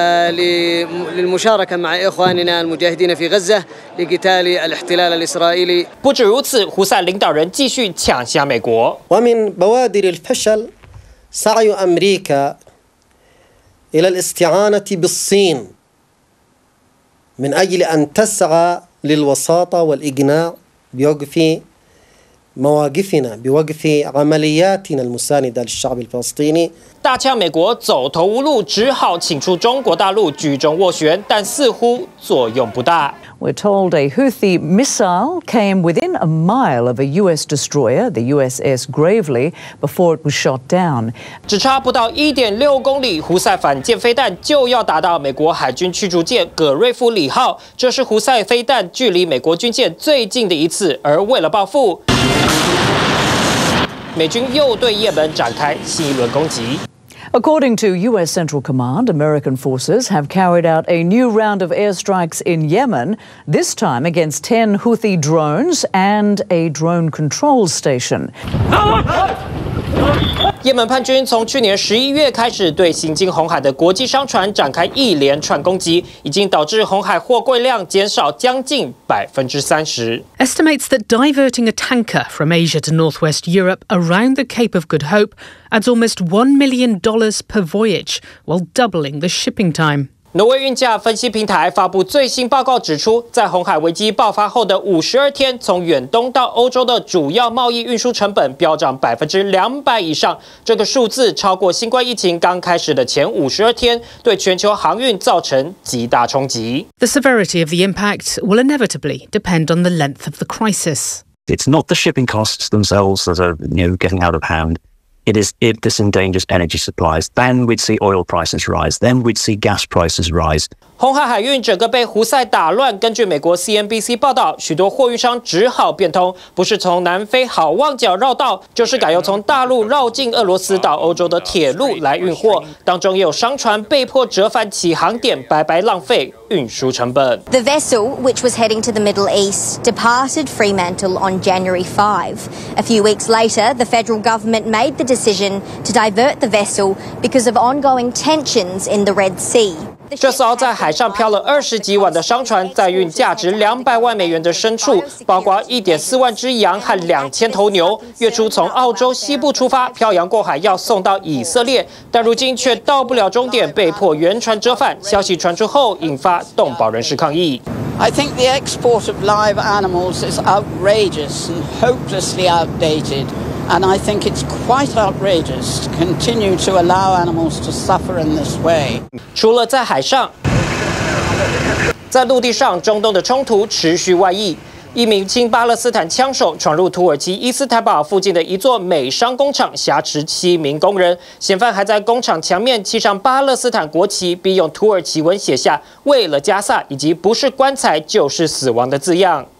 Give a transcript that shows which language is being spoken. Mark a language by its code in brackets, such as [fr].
[ar] للمشاركة مع إخواننا المجاهدين في غزة لقتال الاحتلال الإسرائيلي. [zh] 不止如此，胡塞领导人继续抢下美国。 [ar] ومن بوادر الفشل سعي أمريكا إلى الاستعانة بالصين من أجل أن تسعى للوساطة والإقناع بوقف مواقفنا بوقف عملياتنا المساندة للشعب الفلسطيني [zh] 大呛美国走投无路，只好请出中国大陆居中斡旋，但似乎作用不大。 [en] We're told a Houthi missile came within a mile of a U.S. destroyer, the USS Gravely, before it was shot down. [zh] 只差不到 1.6 公里，胡塞反舰飞弹就要打到美国海军驱逐舰葛瑞夫里号。这是胡塞飞弹距离美国军舰最近的一次，而为了报复，美军又对也门展开新一轮攻击。 [en] According to U.S. Central Command, American forces have carried out a new round of airstrikes in Yemen, this time against 10 Houthi drones and a drone control station. [zh] 也门叛军从去年11月开始对行经红海的国际商船展开一连串攻击，已经导致红海货柜量减少将近 30%. [en] Estimates that diverting a tanker from Asia to Northwest Europe around the Cape of Good Hope adds almost $1 million per voyage, while doubling the shipping time. [zh] 挪威运价分析平台发布最新报告指出，在红海危机爆发后的52天，从远东到欧洲的主要贸易运输成本飙涨200%以上。这个数字超过新冠疫情刚开始的前52天，对全球航运造成极大冲击。 [en] The severity of the impact will inevitably depend on the length of the crisis. It's not the shipping costs themselves that are, you know, getting out of hand. It is if this endangers energy supplies, then we'd see oil prices rise, then we'd see gas prices rise. [zh] 红海海运整个被胡塞打乱。根据美国 CNBC 报道，许多货运商只好变通，不是从南非好望角绕道，就是改由从大陆绕进俄罗斯到欧洲的铁路来运货。当中也有商船被迫折返起航点，白白浪费运输成本。 [en] The vessel, which was heading to the Middle East, departed Fremantle on January 5. A few weeks later, the federal government made the decision to divert the vessel because of ongoing tensions in the Red Sea. [zh] 这艘在海上漂了20几晚的商船，载运价值200万美元的牲畜，包括1.4万只羊和2000头牛。月初从澳洲西部出发，漂洋过海要送到以色列，但如今却到不了终点，被迫原船折返。消息传出后，引发动保人士抗议。 [en] I think the export of live animals is outrageous and hopelessly outdated, and I think it's quite outrageous to continue to allow animals to suffer in this way. [zh] 除了在海上，在陆地上，中东的冲突持续外溢。一名亲巴勒斯坦枪手闯入土耳其伊斯坦堡附近的一座美商工厂，挟持7名工人。嫌犯还在工厂墙面漆上巴勒斯坦国旗，并用土耳其文写下“为了加萨”以及“不是棺材就是死亡”的字样。